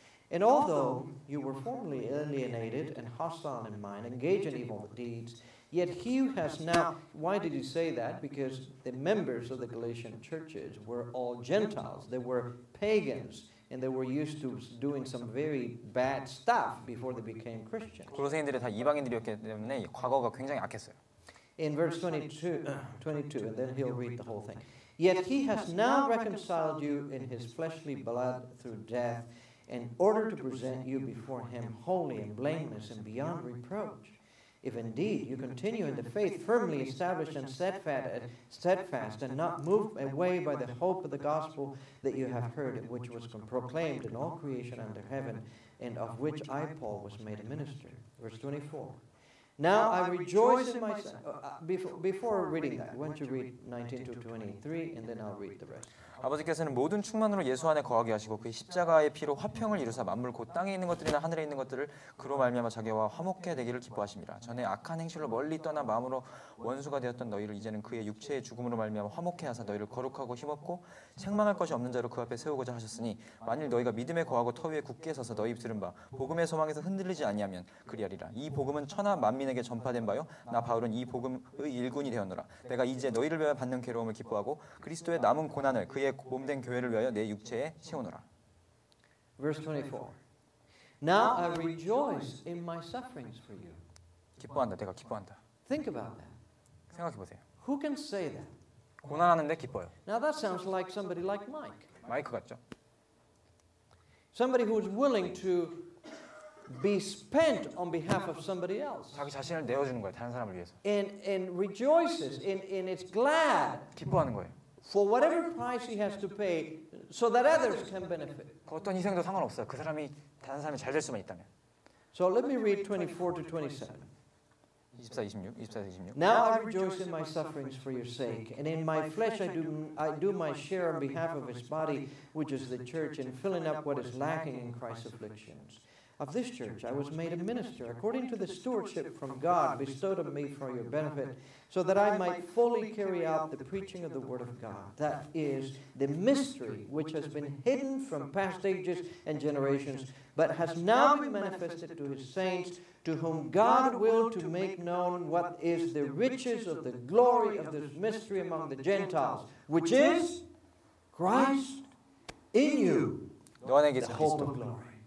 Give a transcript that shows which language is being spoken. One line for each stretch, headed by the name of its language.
English: And although you were formerly alienated and hostile in mind, engaged in evil deeds, yet he has now, why did he say that? Because the members of the Galatian churches were all Gentiles. They were pagans. And they were used to doing some very bad stuff before they became Christians.
Korean: 고로새인들이 다 이방인들이었기 때문에 과거가 굉장히 악했어요.
English: In verse 22, and then he'll read the whole thing. Yet he has now reconciled you in his fleshly blood through death in order to present you before him holy and blameless and beyond reproach. If indeed you continue in the faith firmly established and steadfast and not moved away by the hope of the gospel that you have heard, which was proclaimed in all creation under heaven, and of which I, Paul, was made a minister. Verse 24. Now I rejoice in my... Before reading that, why don't you read 19 to 23, and then I'll read the rest.
Korean: 아버지께서는 모든 충만으로 예수 안에 거하게 하시고 그 십자가의 피로 화평을 이루사 만물고 땅에 있는 것들이나 하늘에 있는 것들을 그로 말미암아 자기와 화목케 되기를 기뻐하심이라 전에 악한 행실로 멀리 떠나 마음으로 원수가 되었던 너희를 이제는 그의 육체의 죽음으로 말미암아 화목케 하사 너희를 거룩하고 힘없고 책망할 것이 없는 자로 그 앞에 세우고자 하셨으니 만일 너희가 믿음에 거하고 터 위에 굳게 서서 너희 입술은 바 복음의 소망에서 흔들리지 아니하면 그리하리라 이 복음은 천하 만민에게 전파된 바요 나 바울은 이 복음의 일꾼이 되었노라 내가 이제 너희를 위하여 받는 괴로움을 기뻐하고 그리스도의 남은 고난을 그의 몸된 교회를 위하여 내 육체에 채우노라.
English: Verse 24. Now I rejoice in my sufferings for you.
Korean: 기뻐한다. 내가 기뻐한다.
English: Think about that.
Korean: 생각해 보세요.
English: Who can say that?
Korean: 고난하는데 기뻐요.
English: Now that sounds like somebody like Mike.
Korean: 마이크 같죠?
English: Somebody who is willing to be spent on behalf of somebody else.
Korean: 자기 자신을 내어 주는 거예요. 다른 사람을 위해서.
English: And rejoices in it's glad.
Korean: 기뻐하는 거예요.
English: For whatever price he has to pay so that others can benefit.
Korean: 그 어떤 희생도 상관없어요. 그 사람이 다른 사람이 잘 될 수만 있다면.
English: So let me read 24 to 27.
Korean: 24-26.
English: Now I rejoice in my sufferings for your sake, and in my flesh I do my share on behalf of his body, which is the church, in filling up what is lacking in Christ's afflictions. Of this church I was made a minister, according to the stewardship from God bestowed on me for your benefit, so that I might fully carry out the preaching of the word of God, that is, the mystery which has been hidden from past ages and generations, but has now been manifested to his saints, to whom God willed to make known what is the riches of the glory of this mystery among the Gentiles, which is Christ in you, the hope of glory.